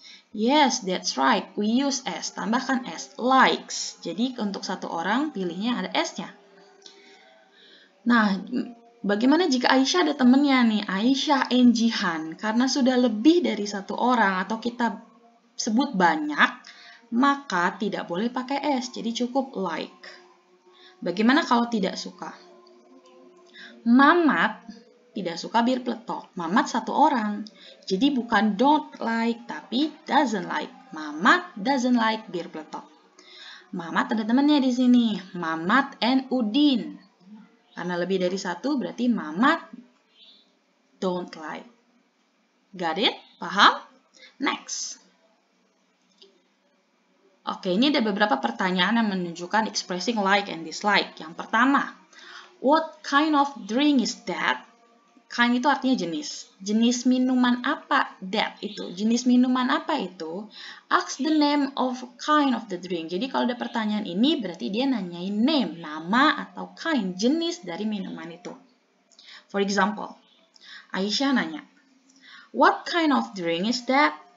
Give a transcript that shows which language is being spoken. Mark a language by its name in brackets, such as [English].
[English] Yes, that's right, we use S, tambahkan S, likes. [Indonesian] Jadi untuk satu orang, pilihnya ada S-nya. Nah, bagaimana jika Aisyah ada temennya nih, Aisyah and Jihan. Karena sudah lebih dari satu orang atau kita sebut banyak, maka tidak boleh pakai S, jadi cukup like. Bagaimana kalau tidak suka? Mamat tidak suka bir peletok. Mamat satu orang. Jadi bukan don't like, tapi doesn't like. [English] Mamat doesn't like [Indonesian] bir peletok. Mamat ada temannya di sini. Mamat and Udin. Karena lebih dari satu, berarti mamat don't like. [English] Got it? Paham? Next. [Indonesian] Oke, ini ada beberapa pertanyaan yang menunjukkan expressing like and dislike. Yang pertama, [English] what kind of drink is that? [Indonesian] Kind itu artinya jenis. Jenis minuman apa that itu? Jenis minuman apa itu? [English] Ask the name of kind of the drink. [Indonesian] Jadi kalau ada pertanyaan ini, berarti dia nanyain name, nama atau kind, jenis dari minuman itu. [English] For example, Aisyah nanya, what kind of drink is that?